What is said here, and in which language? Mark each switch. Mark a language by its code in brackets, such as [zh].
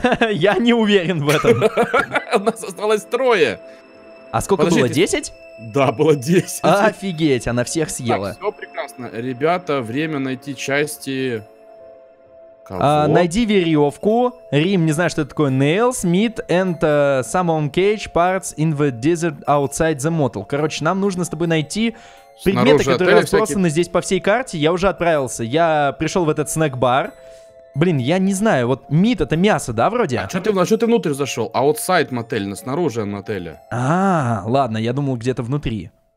[ru] Я не уверен в этом. У нас осталось трое. А сколько было, 10? Да, было 10. Офигеть, она всех съела. Так, все прекрасно. Ребята, время найти части... Найди веревку. Рим, не знаю, что это такое. [en] Nails, meat and summon cage parts in the desert outside the motel. [ru] Короче, нам нужно с тобой найти предметы, которые разбросаны здесь по всей карте. Я уже отправился. Я пришел в этот снэк-бар. Блин, я не знаю. Вот meat — это мясо, да, вроде? А что ты внутрь зашел? [en] Outside motel, [ru] снаружи мотеля. А, ладно, я думал, где-то внутри.